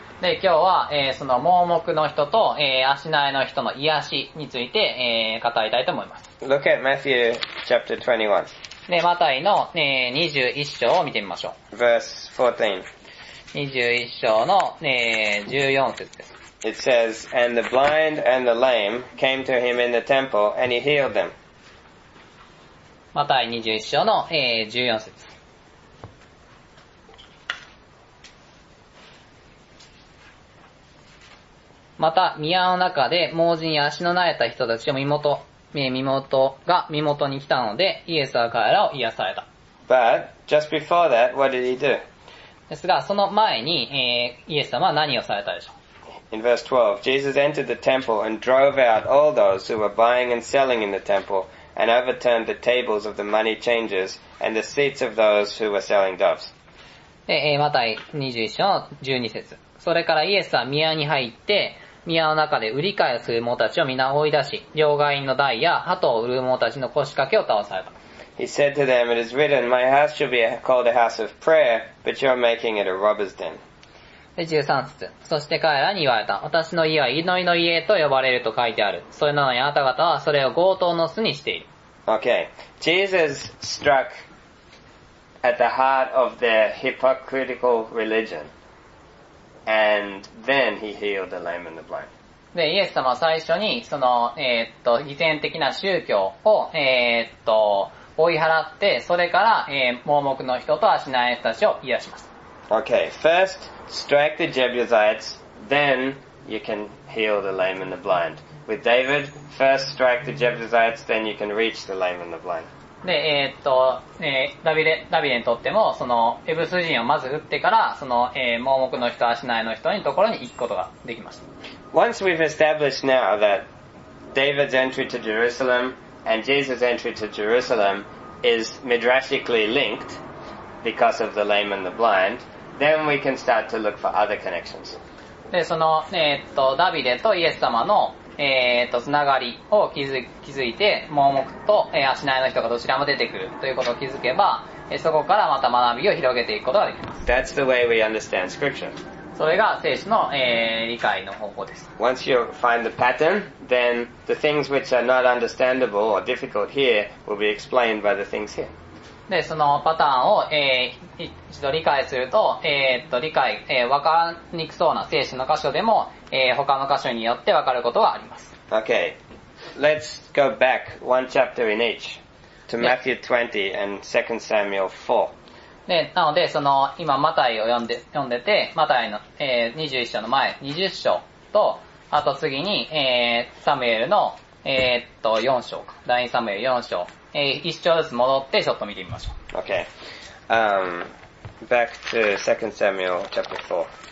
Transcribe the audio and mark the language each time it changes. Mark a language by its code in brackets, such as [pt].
[ja] で、今日は、その盲目の人と、足ないの人の癒しについて、語りたいと思います。 [en] Look at Matthew chapter 21. [ja] で、マタイの、21章を見てみましょう。 [en] Verse [ja] 14. 21章の、14節です。 [en] It says, And the blind and the lame came to him in the temple, and he healed them. [ja] マタイ21章の、14節。また宮の中で盲人や足のなえた人たちの身元に来たのでイエスは彼らを癒された。 [en] But just before that, what did he do? [ja] ですがその前に、イエス様は何をされたでしょう。 [en] In verse 12, Jesus entered the temple and drove out all those who were buying and selling in the temple and overturned the tables of the money changers and the seats of those who were selling doves. [ja] マタイ21章12節。それからイエスは宮に入って宮の中で売り買いをする者たちを皆追い出し、両替員の台や鳩を売る者たちの腰掛けを倒された。 [en] He said to them, It is written, My house shall be called a house of prayer, but you're making it a robber's den. [ja] 13節。そして彼らに言われた。私の家は祈りの家と呼ばれると書いてある。それなのにあなた方はそれを強盗の巣にしている。 [en] Okay. Jesus struck at the heart of their hypocritical religion. And then he healed the lame and the blind. [ja] で、イエス様は最初にその偽善的な宗教を追い払って、それから、盲目の人と足ない人たちを癒します。 [en] Okay, first strike the Jebusites, then you can heal the lame and the blind. With David, first strike the Jebusites, then you can reach the lame and the blind. [ja] で、ダビデにとっても、その、エブス人をまず撃ってから、その、盲目の人、足ないの人のところに行くことができました。 [en] Once we've established now that David's entry to Jerusalem and Jesus' entry to Jerusalem is midrashically linked because of the lame and the blind, then we can start to look for other connections. [ja] で、その、ダビデとイエス様のつながりを築いて、盲目と、足ないの人がどちらも出てくるということを築けば、そこからまた学びを広げていくことができます。 [en] That's the way we understand scripture. [ja] それが聖書の、理解の方法です。 [en] Once you find the pattern, then the things which are not understandable or difficult here will be explained by the things here. [ja] で、そのパターンを、一度理解すると、わからにくそうな聖書の箇所でも、他の箇所によって分かることはあります。 [en] OK Let's go back one chapter in each to Matthew 20 and 2 Samuel 4 [ja] で、なのでその今マタイを読んでてマタイの、21章の前20章とあと次に、サムエルの、4章か第2サムエル4章、1章ずつ戻ってちょっと見てみましょう。 [en] OK、Back to 2 Samuel chapter 4